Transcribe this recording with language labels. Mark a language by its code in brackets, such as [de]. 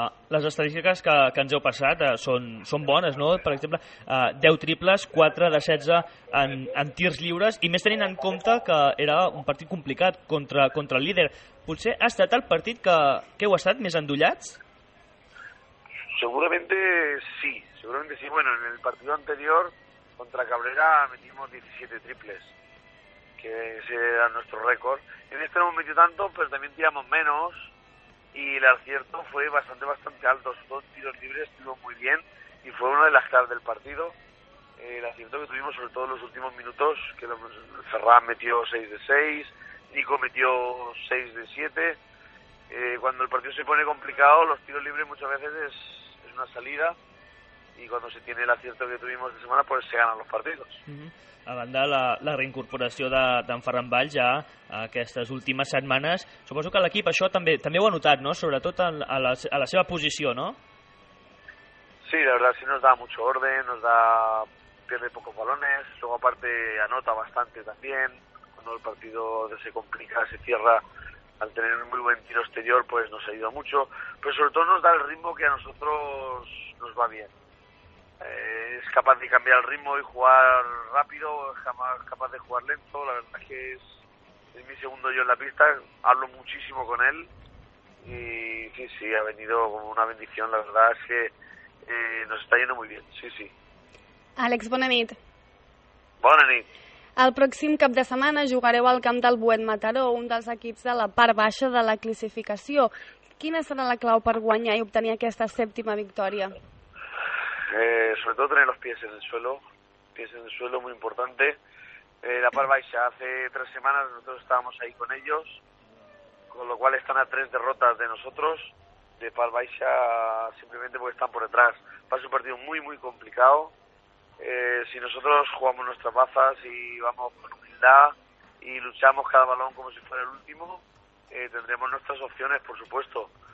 [ca] Les estadístiques que ens heu passat són bones, no? Per exemple, 10 triples, 4 de 16 en tirs lliures, i més tenint en compte que era un partit complicat contra el líder. Potser ha estat el partit que heu estat més endollats? Segurament sí. [es] Bueno, en el partit anterior contra Cabrera metimos 17 triples, que ese era nuestro récord. En este no hemos metido tanto, pero también tiramos menos, y el acierto fue bastante, bastante alto. Dos tiros libres estuvo muy bien y fue una de las claves del partido. El acierto que tuvimos, sobre todo en los últimos minutos, que Ferran metió 6 de 6, Nico metió 6 de 7. Cuando el partido se pone complicado, los tiros libres muchas veces es una salida, y cuando se tiene el acierto que tuvimos de semana, pues se ganan los partidos. [ca] A banda, la reincorporació d'en Ferran Vall ja aquestes últimes setmanes. Suposo que l'equip això també ho ha notat, no? Sobretot a la seva posició, no? [es] Sí, la verdad sí, nos da mucho orden, nos da, pierde pocos balones, luego aparte anota bastante también, cuando el partido se complica, se cierra, al tener un muy buen tiro exterior, pues nos ayuda mucho, pero sobre todo nos da el ritmo que a nosotros nos va bien. Es capaz de cambiar el ritmo y jugar rápido, jamás capaz de jugar lento. La verdad es que es mi segundo yo en la pista, hablo muchísimo con él y sí, ha venido como una bendición. La verdad es que nos está yendo muy bien, sí. [ca] Àlex, bona nit. Bona nit. El pròxim cap de setmana jugareu al camp del Buet Mataró, un dels equips de la part baixa de la classificació. Quina serà la clau per guanyar i obtenir aquesta sèptima victòria? [es] Sobre todo tener los pies en el suelo, muy importante. La par baixa, hace 3 semanas nosotros estábamos ahí con ellos, con lo cual están a 3 derrotas de nosotros, de par baixa, simplemente porque están por detrás. Va a ser un partido muy, muy complicado. Si nosotros jugamos nuestras bazas y vamos con humildad y luchamos cada balón como si fuera el último, tendremos nuestras opciones, por supuesto.